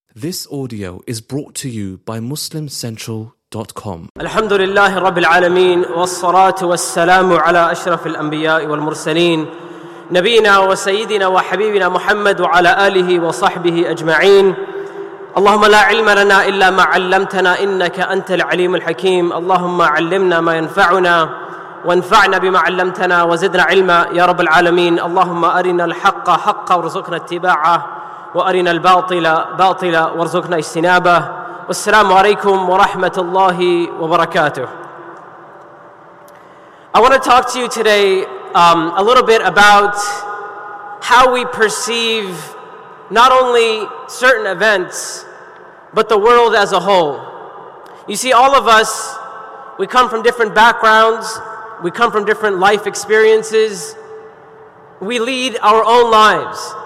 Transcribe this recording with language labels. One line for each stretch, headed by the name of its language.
English: This audio is brought to you by MuslimCentral.com.
Arabic: الحمد لله رب العالمين والصلاة والسلام على أشرف الأنبياء والمرسلين نبينا وسيدنا وحبيبنا محمد وعلى آله وصحبه أجمعين. اللهم لا علم لنا إلا ما علمتنا إنك أنت العليم الحكيم. اللهم علمنا ما ينفعنا وانفعنا بما علمتنا وزدنا علما يا رب العالمين. اللهم أرنا الحق حقا وارزقنا اتباعه وأرنا الباطل باطلا وارزقنا اجتنابه. والسلام عليكم ورحمة الله وبركاته.
English: I want to talk to you today a little bit about how we perceive not only certain events but the world as a whole. You see, all of us, we come from different backgrounds, we come from different life experiences, we lead our own lives.